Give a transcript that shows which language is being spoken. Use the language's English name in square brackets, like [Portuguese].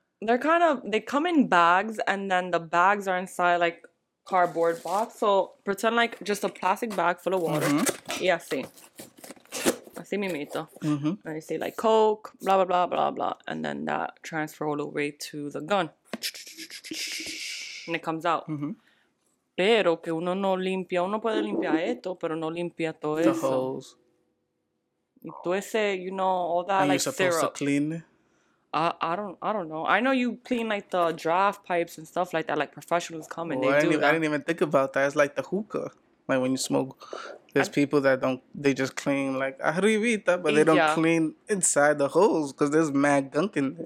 [English] They're kind of, they come in bags, and then the bags are inside like cardboard box. So pretend like just a plastic bag full of water. Mm-hmm. Yeah, see. [Spanish] Así mimito. Mm-hmm. [English] And you say, like, Coke, blah, blah, blah, blah, blah. And then that transfer all the way to the gun. And it comes out. Mm-hmm. [Spanish] Pero que uno no limpia. Uno puede limpiar esto, pero no limpia todo [English] the [Spanish] eso. [English] The holes. [Spanish] Y tú ese, [English] you know, all that, and like, syrup. Are you supposed to clean it? I don't know. I know you clean, like, the draft pipes and stuff like that. Like, professionals come and I didn't even think about that. It's like the hookah. Like, when you smoke... There's people that don't, they just clean, like, arribita, but they don't clean inside the holes because there's mad gunk in there.